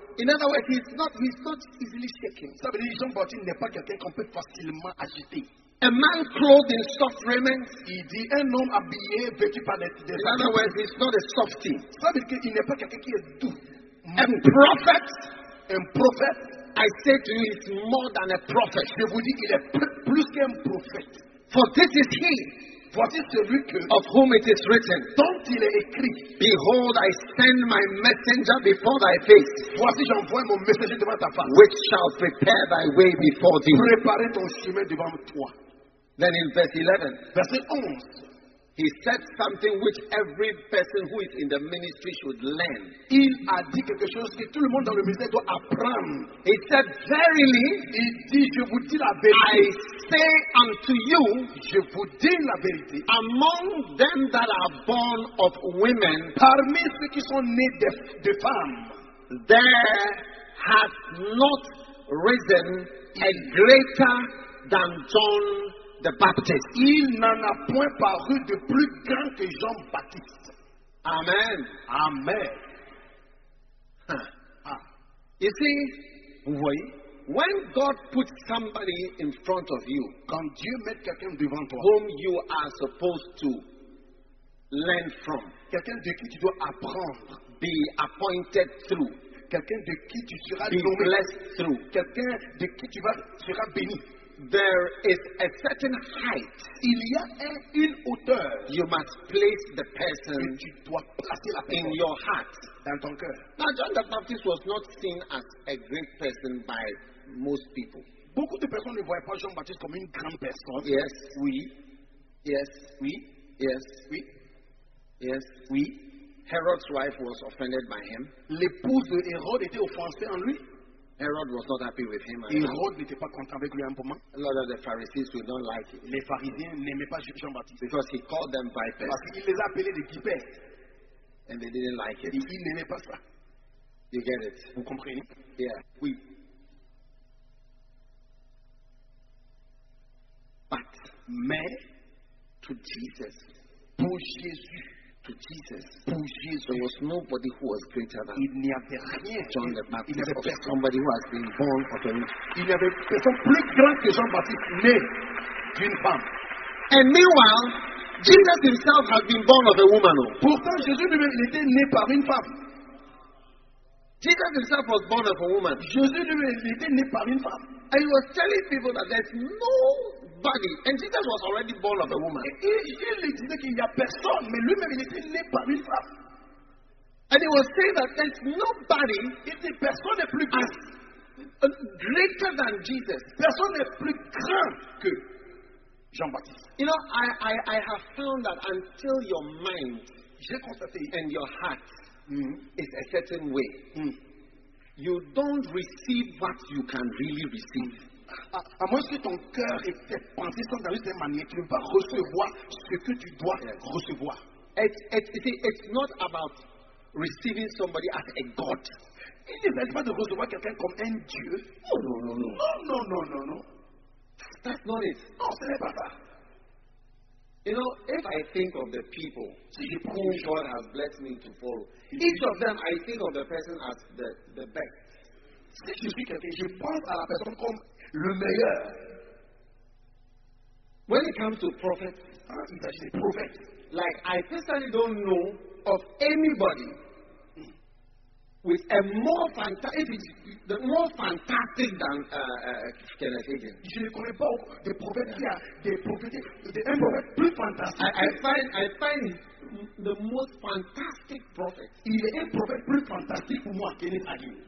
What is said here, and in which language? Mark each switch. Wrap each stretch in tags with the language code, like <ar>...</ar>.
<en>In other words, he's not easily shaken.</en> <fr>Ça veut dire Jean-Baptiste n'est pas quelqu'un qu'on peut facilement agiter.</fr> <en>A man clothed in soft raiment.</en> <fr>Il dit un homme habillé vêtu par des</fr> <en>habits. In other words, he's not a softy.</en> <fr>Ça veut dire qu'il n'est pas quelqu'un qui est doux.</fr> <en>A prophet. I say to you, he's more than a prophet.</en> <fr>Je vous dis, il est plus qu'un prophète.</fr> <en>For this is he.</en> <fr>Voici celui que,</fr> <en>of whom it is written,</en> <fr>dont il est écrit,</fr> <en>behold, I send my messenger before thy face,</en> <fr>voici j'envoie mon messager devant ta face,</fr> <en>which shall prepare thy way before thee.</en> <fr>Préparer ton chemin devant toi.</fr> <en>Then in verse 11,</en> <fr>verset 11,</fr> <en>he said something which every person who is in the ministry should learn.</en> <fr>Il a dit quelque chose que tout le monde dans le ministère doit apprendre.</fr> <en>He said, verily,</en> <fr>il dit, je vous dis la vérité.</fr> <en>I say unto you,</en> <fr>je vous dis la vérité.</fr> <en>Among them that are born of women,</en> <fr>parmi ceux qui sont nés de femmes,</fr> <en>there has not risen a greater than John the Baptist.</en> <fr>Il n'en a point paru de plus grand que Jean-Baptiste. Amen. Amen.</fr> <en>Huh. Ah. You see,</en> <fr>vous voyez,</fr> <en>when God puts somebody in front of you,</en> <fr>quand Dieu met quelqu'un devant toi,</fr> <en>whom you are supposed to learn from,</en> <fr>quelqu'un de qui tu dois apprendre,</fr> <en>be appointed through,</en> <fr>quelqu'un de qui tu seras</fr> <en>be</en> <fr>nommé,</fr> <en>blessed through,</en> <fr>quelqu'un de qui tu vas seras béni,</fr> <en>there is a certain height.</en> <fr>Il y a une hauteur.</fr> <en>You must place the person in your heart.</en> <fr>Dans ton cœur.</fr> <en>Now, John the Baptist was not seen as a great person by most people.</en> <fr>Beaucoup de personnes ne voyaient pas Jean-Baptiste comme une grande personne.</fr> <en>Yes.</en> <fr>Oui.</fr> <en>Yes.</en> <fr>Oui.</fr> <en>Yes.</en> <fr>Oui.</fr> <en>Yes.</en> <fr>Oui.</fr> <en>Herod's wife was offended by him.</en> <fr>L'épouse de Hérode était offensée en lui.</fr> <en>Herod was not happy with him.</en> <fr>Herod n'était pas content avec lui un moment.</fr> <en>A lot of the Pharisees would not like him.</en> <fr>Les pharisiens n'aimaient pas Jean-Baptiste.</fr> <en>Because he called them vipers.</en> <fr>Parce qu'il les appelait des vipères.</fr> <en>And they didn't like it.</en> <fr>Et ils n'aimaient pas ça.</fr> <en>You get it?</en> <fr>Vous comprenez?</fr> <en>Yeah.</en> <fr>Oui.</fr> <en>But,</en> <fr>mais,</fr> <en>to Jesus,</en> <fr>pour Jésus,</fr> <en>to Jesus.</en> <fr>Pour Jésus,</fr> <en>there was nobody who was greater than</en> <fr>il n'y avait rien.</fr> <en>John the Baptist.</en> <fr>Il n'y avait</fr> <en>somebody who has been born of a woman.</en> <fr>Il n'y avait personne plus grand que Jean-Baptiste, né d'une femme.</fr> <en>And meanwhile, Jesus himself has been born of a woman.</en> <fr>Pourtant, Jésus lui-même était né par une femme.</fr> <en>Jesus himself was born of a woman.</en> <fr>Jésus lui-même était né par une femme.</fr> <en>And he was telling people that there's no body. And Jesus was already born of a woman.</en> <fr>Il disait qu'il n'y a personne, mais lui-même il était né par une femme.</fr> <en>And he was saying that there's nobody.</en> <fr>Il dit personne n'est plus grand,</fr> <en>greater than Jesus.</en> <fr>Personne n'est plus grand que Jean-Baptiste.</fr> <en>You know, I have found that until your mind,</en> <fr>j'ai constaté,</fr> <en>and your heart mm-hmm. is a certain way, mm-hmm. you don't receive what you can really receive.</en> <fr>À moins que ton cœur et tes pensées soient dans une certaine manière, tu ne vas recevoir ce que tu dois yes. recevoir.</fr> <en>It's not about receiving somebody as a god.</en> <fr>Il ne s'agit pas de recevoir quelqu'un comme un dieu.</fr> <en>Non. That's not it.</en> <fr>Non, ce n'est pas ça.</fr> <en>You know, if I think of the people</en> <fr>si</fr> <en>who God has blessed me to follow, each of them, I think of the person as the best.</en> <fr>Si je suis quelqu'un, je pense à la personne comme le meilleur.</fr> <en>When it comes to prophets,</en> <fr>il s'agit des prophètes.</fr> <en>Like, I personally don't know of anybody with a more fantastic, the more fantastic than Kenneth Hagin.</en> <fr>Je ne connais pas des prophètes qui a des prophètes, des un prophète plus fantastique.</fr> <en>I find the most fantastic prophet.</en> <fr>Il est un prophète plus fantastique pour moi, Kenneth Hagin.</fr>